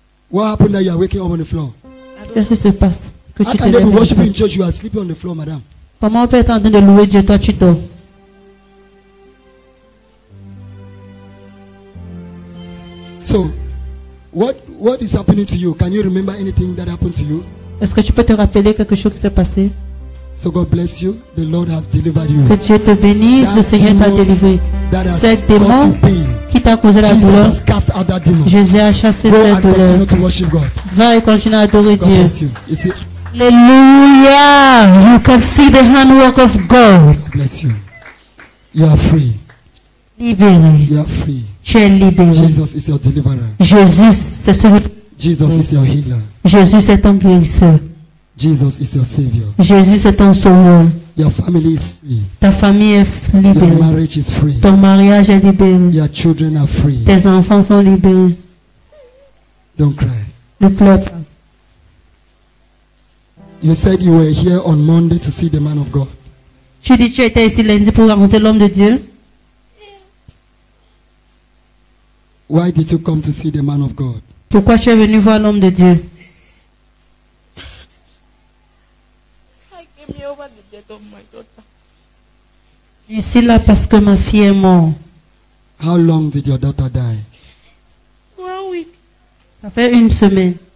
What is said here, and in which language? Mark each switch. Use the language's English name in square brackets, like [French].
[English] What happened that you are waking up on the floor? [French] Qu'est-ce qui se passe? Que [English] how can you be worshiping in church? You are sleeping on the floor, madam. [French] Comment on peut être en train de louer Dieu, toi tu dors? [English] So, what is happening to you? Can you remember anything that happened to you? [French] Est-ce que tu peux te rappeler quelque chose qui s'est passé? [English] So God bless you. The Lord has delivered you. [French] Que Dieu te bénisse, [English] that [French] le Seigneur t'a délivré. Cet démon qui t'a causé la douleur, Jésus a chassé cette douleur. Va et continue à adorer Dieu. Alléluia! [English] You can see the handwork of God. God bless you. You are free. [French] Libéré. [English] You are free. [French] Tu es libéré. [English] Jesus is your deliverer. [French] Jésus, c'est celui. [English] Jesus is your healer. [French] Jésus est ton guérisseur. [English] Jesus is your savior. [French] Jésus est ton sauveur. [English] Your family is free. [French] Ta famille est libérée. [English] Your marriage is free. [French] Ton mariage est libéré. [English] Your children are free. [French] Tes enfants sont libérés. [English] Don't cry. [French] Ne pleure pas. [English] You said you were here on Monday to see the man of God. [French] Tu dis tu étais ici lundi pour rencontrer l'homme de Dieu. [English] Why did you come to see the man of God? [French] Pourquoi tu es venu voir l'homme de Dieu? Je suis là parce que ma fille est morte. [English] How long did your daughter die? 1 week. [French] Ça fait une semaine.